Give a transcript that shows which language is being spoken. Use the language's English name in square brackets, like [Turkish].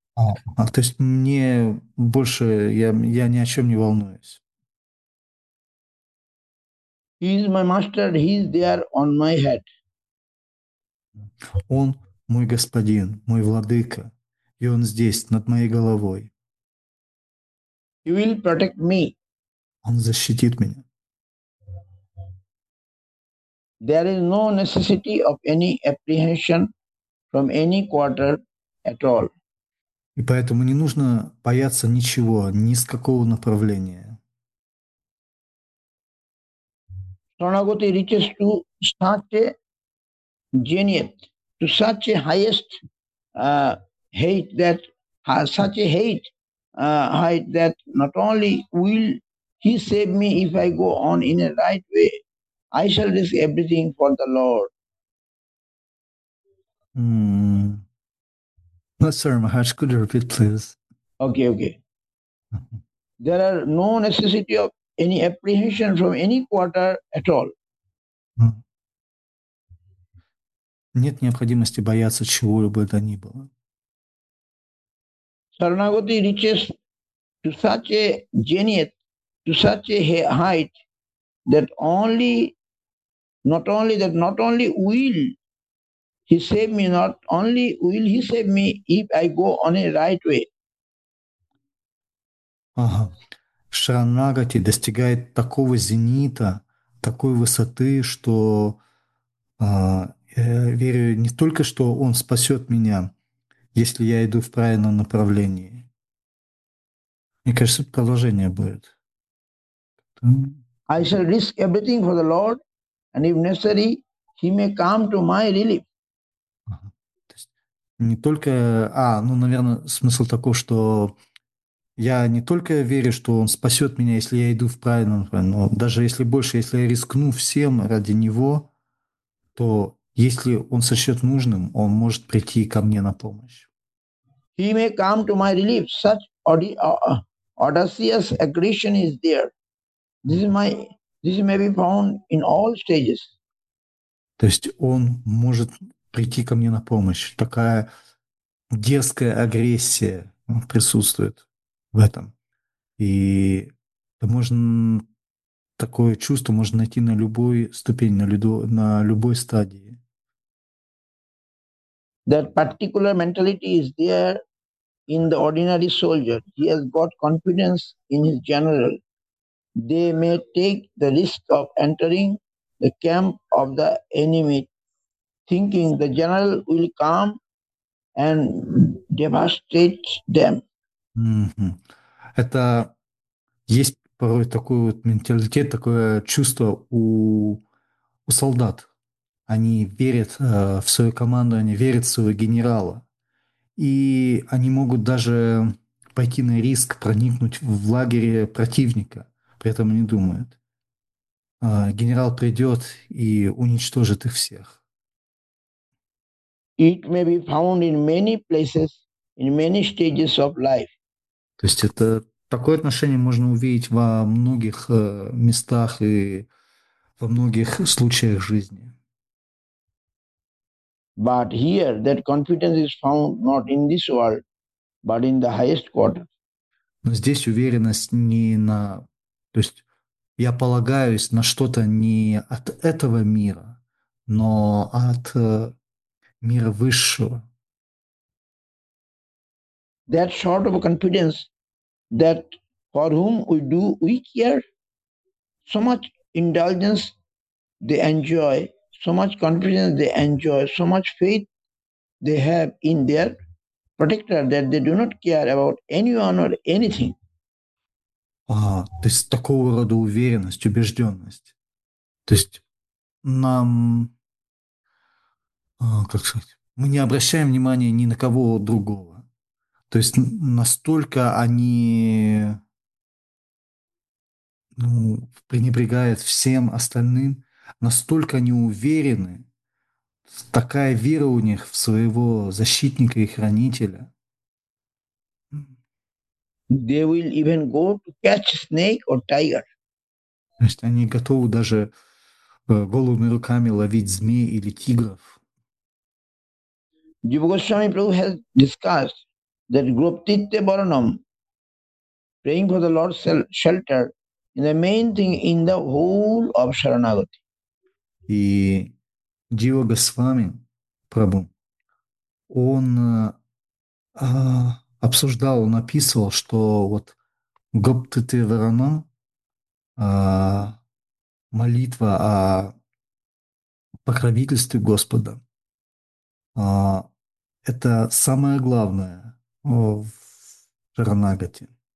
[Russian] То есть мне больше, я ни о чем не волнуюсь. [English] He is my master, he is there on my head. [Russian] Он мой господин, мой владыка, и он здесь, над моей головой. [English] He will protect me. [Russian] Он защитит меня. [English] There is no necessity of any apprehension from any quarter at all. [Russian] И поэтому не нужно бояться ничего, ни с какого направления. [English] Sharanagati reaches to such a zenith, to such a highest height that height that not only will he save me if I go on in a right way, I shall risk everything for the Lord. No, sir, Maharaj, could you repeat, please? Okay. There are no necessity of any apprehension from any quarter at all. [Russian] Нет необходимости бояться чего-либо то ни было. [English] Sharanagati reaches to such a zenith, to such a height that not only will he save me, not only will he save me if I go on a right way. [Russian] Шаранагати достигает такого зенита, такой высоты, что я верю не только, что он спасет меня, если я иду в правильном направлении. Мне кажется, продолжение будет. [English] I shall risk everything for the Lord, and if necessary, he may come to my relief. [Russian] Не только, наверное, смысл такой, что я не только верю, что он спасет меня, если я иду в правильном направлении, но даже если больше, если я рискну всем ради него, то если он сочтет нужным, он может прийти ко мне на помощь. [English] He may come to my relief. Such audacious aggression is there. This may be found in all stages. [Russian] То есть он может прийти ко мне на помощь. Такая дерзкая агрессия присутствует в этом. И такое чувство можно найти на любой ступени, на любой стадии. [English] That particular mentality is there in the ordinary soldier. He has got confidence in his general. They may take the risk of entering the camp of the enemy, thinking the general will come and devastate them. [Russian] Это есть порой такой вот менталитет, такое чувство у солдат. Они верят в свою команду, они верят в своего генерала. И они могут даже пойти на риск проникнуть в лагерь противника. При этом они думают, генерал придет и уничтожит их всех. [English] It may be found in many places, in many stages of life. [Russian] То есть это такое отношение можно увидеть во многих местах и во многих случаях жизни. [English] But here that confidence is found not in this world, but in the highest quarter. [Russian] Но здесь уверенность не на... То есть я полагаюсь на что-то не от этого мира, но от мира высшего. [English] That sort of confidence that for whom we do, we care so much indulgence they enjoy, so much confidence they enjoy, so much faith they have in their protector that they do not care about anyone or anything. [Russian] То есть такого рода уверенность, убежденность. То есть нам, как сказать, мы не обращаем внимания ни на кого другого. То есть настолько они, ну, пренебрегают всем остальным, настолько они уверены, такая вера у них в своего защитника и хранителя. [English] They will even go to catch snake or tiger. [Russian] То есть они готовы даже голыми руками ловить змей или тигров. [English] Jiva Goswami Prabhu has discussed that Gruptitya Varanam, praying for the Lord's shelter, is the main thing in the whole of Sharanagati. [Russian] И Джива Госвами Прабху, он обсуждал, он описывал, что вот Гоптити Варана, молитва о покровительстве Господа, это самое главное в Шаранагати.